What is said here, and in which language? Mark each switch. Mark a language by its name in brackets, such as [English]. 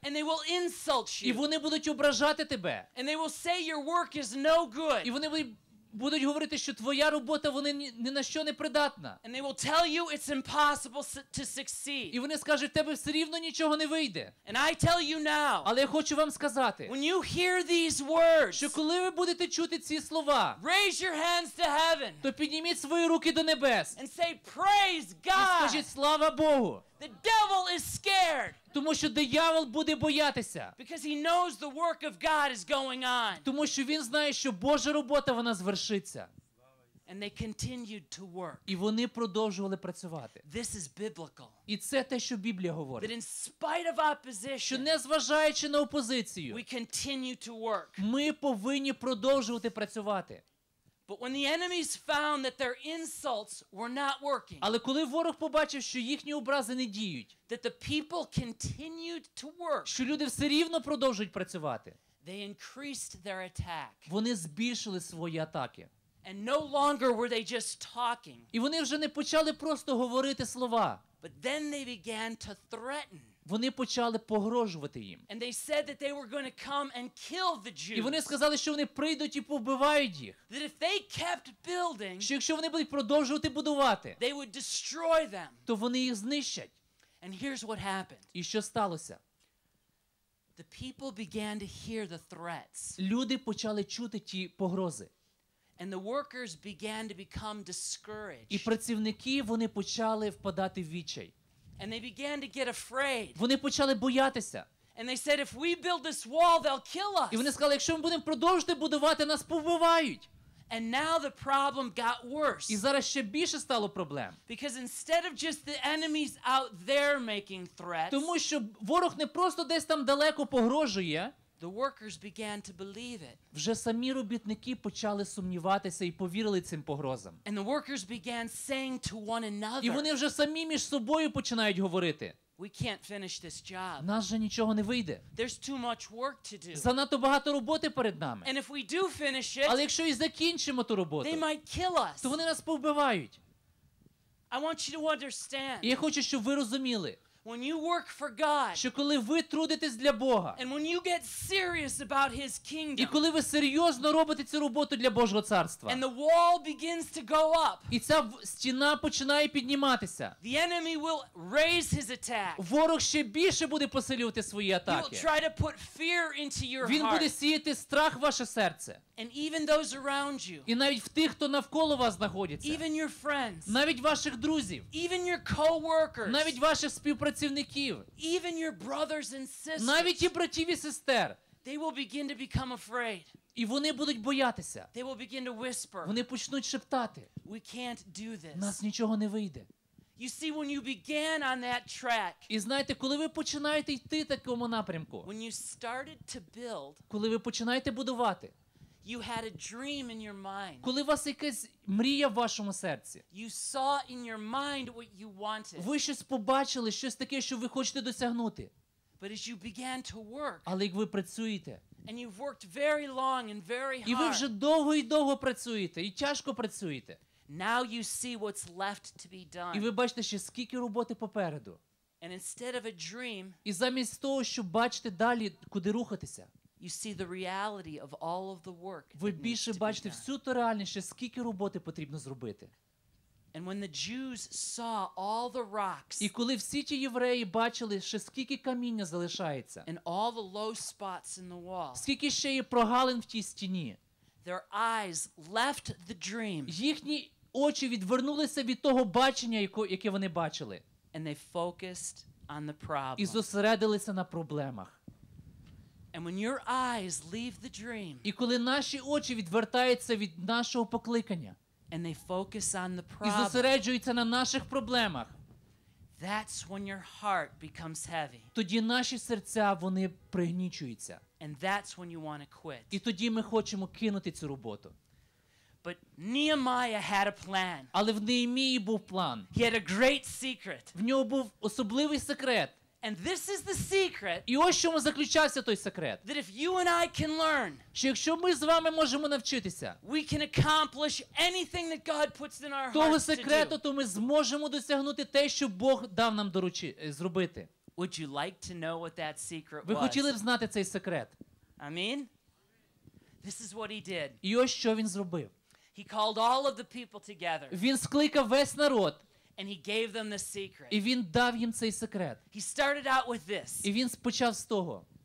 [English] And they will insult you. [Ukrainian] І вони будуть ображати тебе. [English] And they will say your work is no good. [Ukrainian] І вони будуть говорити, що твоя робота вони ні на що не придатна. [English] And they will tell you it's impossible to succeed. [Ukrainian] І вони скажуть, тебе все рівно нічого не вийде. [English] And I tell you now. [Ukrainian] Але я хочу вам сказати. [English] When you hear these words. [Ukrainian] Що коли ви будете чути ці слова. [English] Raise your hands to heaven. [Ukrainian] То підніміть свої руки до небес. [English] And say praise God. [Ukrainian] І скажіть слава Богу. [English] The devil is scared. [Ukrainian] Тому що диявол буде боятися. [English] Because he knows the work of God is going on. [Ukrainian] Тому що він знає, що Божа робота вона звершиться. [English] And they continued to work. [Ukrainian] І вони продовжували працювати. [English] This is biblical. [Ukrainian] І це те, що Біблія говорить. [English] That in spite of opposition. [Ukrainian] Що незважаючи на опозицію. [English] We continue to work. [Ukrainian] Ми повинні продовжувати працювати. [English] But when the enemies found that their insults were not working, [Ukrainian] але коли ворог побачив, що їхні образи не діють, [English] that the people continued to work, [Ukrainian] що люди все рівно продовжують працювати, [English] they increased their attack, [Ukrainian] вони збільшили свої атаки. [English] And no longer were they just talking, [Ukrainian] і вони вже не почали просто говорити слова, [English] but then they began to threaten, [Ukrainian] вони почали погрожувати їм. [English] And they said that they were going to come and kill the Jews. [Ukrainian] І вони сказали, що вони прийдуть і повбивають їх. [English] That if they kept building, [Ukrainian] що якщо вони будуть продовжувати будувати, [English] they would destroy them, [Ukrainian] то вони їх знищать. [English] And here's what happened. [Ukrainian] І що сталося? [English] The people began to hear the threats. [Ukrainian] Люди почали чути ті погрози. [English] And the workers began to become discouraged. [Ukrainian] І працівники, вони почали впадати в відчай. [English] And they began to get afraid. [Ukrainian] Вони почали боятися. [English] And they said, if we build this wall, they'll kill us. [Ukrainian] І вони сказали, якщо ми будемо продовжувати будувати, нас повбивають. [English] And now the problem got worse. [Ukrainian] І зараз ще більше стало проблем. [English] Because instead of just the enemies out there making threats, [Ukrainian] тому що ворог не просто десь там далеко погрожує, [English] the workers began to believe it. [Ukrainian] Вже самі робітники почали сумніватися і повірили цим погрозам. [English] And the workers began saying to one another, [Ukrainian] і вони вже самі між собою починають говорити, [English] we can't finish this job. [Ukrainian] У нас же нічого не вийде. [English] There's too much work to do. [Ukrainian] Занадто багато роботи перед нами. [English] And if we do finish it, [Ukrainian] але якщо і закінчимо ту роботу, [English] they might kill us. [Ukrainian] То вони нас повбивають. [English] I want you to understand. [Ukrainian] І я хочу, щоб ви розуміли. [English] When you work for God, [Ukrainian] що коли ви трудитесь для Бога, [English] and when you get serious about His kingdom, [Ukrainian] і коли ви серйозно робите цю роботу для Божого царства, [English] and the wall begins to go up, [Ukrainian] і ця стіна починає підніматися, [English] the enemy will raise his attack, [Ukrainian] ворог ще більше буде посилювати свої атаки, [English] he will try to put fear into your [Ukrainian] він буде сіяти страх в ваше серце, [English] and even those around you, [Ukrainian] і навіть в тих, хто навколо вас знаходиться, [English] even your friends, [Ukrainian] навіть ваших друзів, [English] even your co-workers, [Ukrainian] навіть ваших співпрацівників, [English] even your brothers and sisters, [Ukrainian] навіть і братів і сестер, [English] they will begin to become afraid, [Ukrainian] і вони будуть боятися, [English] they will begin to whisper, [Ukrainian] вони почнуть шептати, [English] we can't do this, [Ukrainian] нас нічого не вийде. [English] You see, when you began on that track, [Ukrainian] і знаєте, коли ви починаєте йти такому напрямку, [English] when you started to build, [Ukrainian] коли ви починаєте будувати, [English] you had a dream in your mind, [Ukrainian] коли у вас якась мрія в вашому серці, [English] you saw in your mind what you wanted, [Ukrainian] ви щось побачили, щось таке, що ви хочете досягнути, [English] but as you began to work, [Ukrainian] але як ви працюєте, [English] and you've worked very long and very hard, [Ukrainian] і ви вже довго і довго працюєте, і тяжко працюєте, [English] now you see what's left to be done, [Ukrainian] і ви бачите ще скільки роботи попереду, [English] and instead of a dream, [Ukrainian] і замість того, щоб бачити далі, куди рухатися, [English] you see the reality of all of the work. [Ukrainian] Ви більше бачите всю ту реальність, скільки роботи потрібно зробити. [English] And when the Jews saw all the rocks, [Ukrainian] і коли всі ті євреї бачили, ще скільки каміння залишається, [English] and all the low spots in the wall, [Ukrainian] скільки ще є прогалин в тій стіні, [English] their eyes left the dream, [Ukrainian] їхні очі відвернулися від того бачення, яке вони бачили, [English] and they focused on the problem, [Ukrainian] і зосередилися на проблемах. [English] And when your eyes leave the dream, [Ukrainian] і коли наші очі відвертаються від нашого покликання, [English] and they focus on the problem, [Ukrainian] і зосереджуються на наших проблемах, [English] that's when your heart becomes heavy, [Ukrainian] тоді наші серця, вони пригнічуються, [English] and that's when you want to quit, [Ukrainian] і тоді ми хочемо кинути цю роботу. [English] But Nehemiah had a plan. [Ukrainian] Але в Неємії був план. [English] He had a great secret. [Ukrainian] В нього був особливий секрет. [English] And this is the secret. [Ukrainian] І ось чому заключався той секрет. [English] That if you and I can learn, [Ukrainian] що якщо ми з вами можемо навчитися, [English] we can accomplish anything that God puts in our hearts to do. [Ukrainian] Того секрету, то ми зможемо досягнути те, що Бог дав нам зробити. [English] Would you like to know what that secret was? [Ukrainian] Ви хотіли б знати цей секрет? [English] Амін. This is what he did. [Ukrainian] І ось що він зробив. [English] He called all of the people together. [Ukrainian] Він скликав весь народ. [English] And he gave them the secret. [Ukrainian] І він дав їм цей секрет. [English] He started out with this. [Ukrainian] І він почав з того.